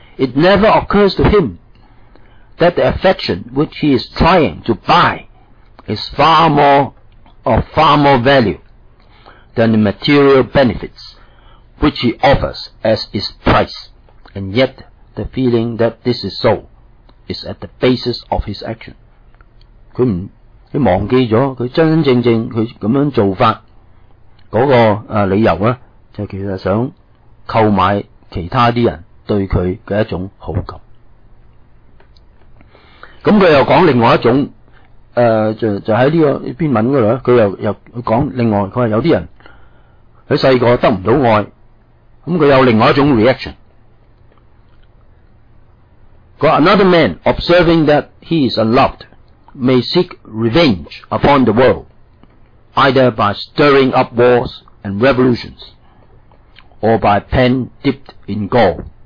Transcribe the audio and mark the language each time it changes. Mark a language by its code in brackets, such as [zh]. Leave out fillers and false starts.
[en] It never occurs to him that the affection which he is trying to buy is far more value than the material benefits which he offers as its price. And yet the feeling that this is soIs at the basis of his action. [zh] 他忘記了他真真正正他這樣做法那個理由呢，就其實想購買其他人對他的一種好感。那他又講另外一種就在這個篇文那裡，他又講另外，他說有些人他小時候得不到愛，那他有另外一種 reaction。 [en] Another man, observing that he is unloved, may seek revenge upon the world, either by stirring up wars and revolutions, or by pen dipped in gall.